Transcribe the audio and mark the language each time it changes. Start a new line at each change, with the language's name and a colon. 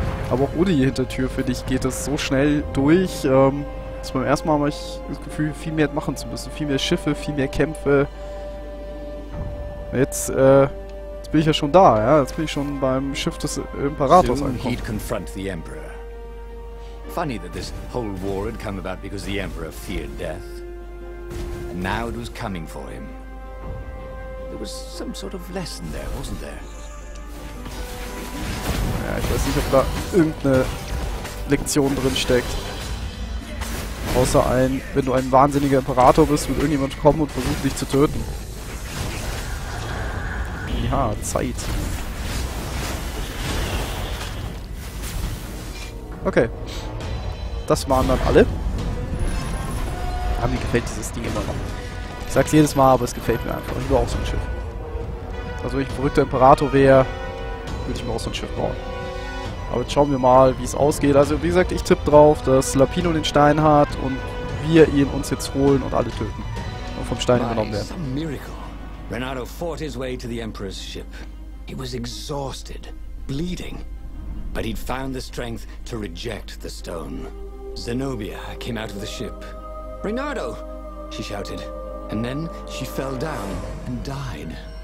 German: Aber auch ohne die Hintertür, finde ich, geht das so schnell durch. Beim ersten Mal habe ich das Gefühl, viel mehr machen zu müssen. Viel mehr Schiffe, viel mehr Kämpfe. Jetzt bin ich ja schon da, ja. Jetzt bin ich schon beim Schiff des Imperators angekommen.
English: Funny that this whole war had come about because the Emperor feared death. And now it was coming for him. There was some sort of lesson there, wasn't there?
German: Ja, ich weiß nicht, ob da irgendeine Lektion drin steckt. Außer ein, wenn du ein wahnsinniger Imperator bist, wird irgendjemand kommen und versucht dich zu töten. Ja, Zeit. Okay. Das waren dann alle. Ja, mir gefällt dieses Ding immer noch. Ich sag's jedes Mal, aber es gefällt mir einfach. Ich will auch so ein Schiff. Also wenn ich ein verrückter Imperator wäre, würde ich mir auch so ein Schiff bauen. Aber jetzt schauen wir mal, wie es ausgeht. Also wie gesagt, ich tippe drauf, dass Lapino den Stein hat und wir ihn uns jetzt holen und alle töten. Und vom Stein übernommen werden.
English: Some miracle. Renato fought his way to the Emperor's ship. He was exhausted, bleeding. But he'd found the strength to reject the stone. Zenobia came out of the ship. Renato, she shouted. And then she fell down and died.